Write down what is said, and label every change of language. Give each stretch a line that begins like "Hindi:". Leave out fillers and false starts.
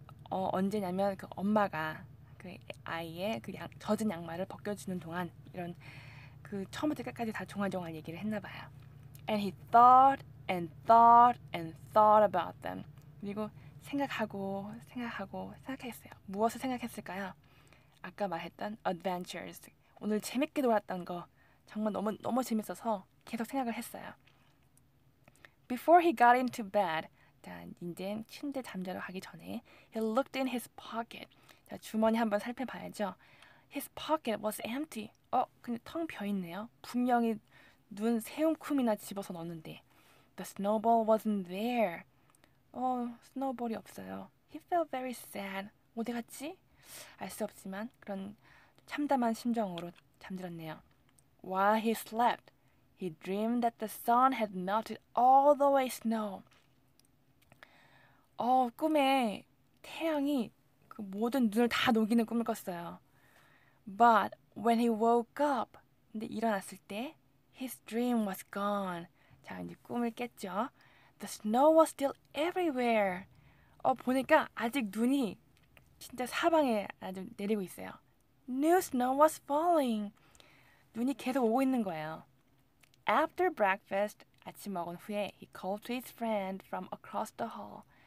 Korean: 언제냐면 그 엄마가 그 아이의 그 젖은 양말을 벗겨주는 동안 이런 그 처음부터 끝까지 다 중얼중얼 얘기를 했나 봐요.
English: And he thought and thought and thought about them.
Korean: 그리고 생각했어요. 무엇을 생각했을까요? 아까 말했던 adventures. 오늘 재밌게 놀았던 거 정말 너무 너무 재밌어서 계속 생각을 했어요.
English: Before he got into bed,
Korean: 자, 이제 침대 잠자러 가기 전에
English: he looked in his pocket.
Korean: 자, 주머니 한번 살펴봐야죠.
English: His pocket was empty.
Korean: 근데 텅 비어 있네요. 분명히 눈 세 움큼이나 집어서 넣었는데
English: The snowball wasn't there.
Korean: 스노우볼이 없어요.
English: He felt very sad.
Korean: 어디 갔지? 알 수 없지만 그런 참담한 심정으로 잠들었네요.
English: While he slept, he dreamed that the sun had melted all the way snow.
Korean: 꿈에 태양이 그 모든 눈을 다 녹이는 꿈을 꿨어요.
English: But when he woke up,
Korean: 근데 일어났을 때
English: his dream was gone.
Korean: 자, 이제 꿈을 깼죠.
English: The snow was still everywhere.
Korean: 보니까 아직 눈이 진짜 사방에 아주 내리고 있어요.
English: New snow was falling.
Korean: 눈이 계속 오고 있는 거예요.
English: After breakfast,
Korean: 아침 먹은 후에
English: he called to his friend from across the hall.